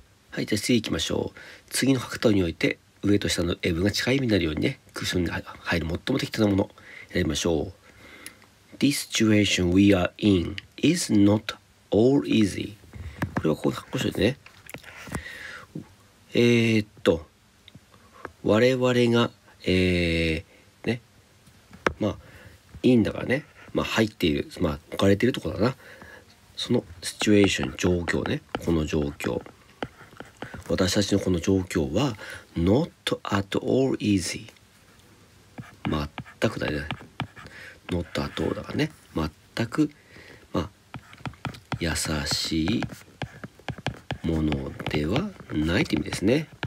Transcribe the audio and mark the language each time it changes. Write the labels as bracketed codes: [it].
[ja] はい、じゃあ次いきましょう。次の角度において上と下の英文が近い意味になるようにね、クッションに入る最も適当なものやりましょう。 [en] This situation we are in is not all easy。 [ja] これはこう発行しておいてね。我々が、ね、まあ、in だからね、まあ、入っている、まあ、置かれているところだな。そのシチュエーション、状況ね、この状況、私たちのこの状況は [en] not at all easy、 [ja] 全くだよね、 [en] not at all [ja] だからね、全く、まあ、優しいものではないという意味ですね。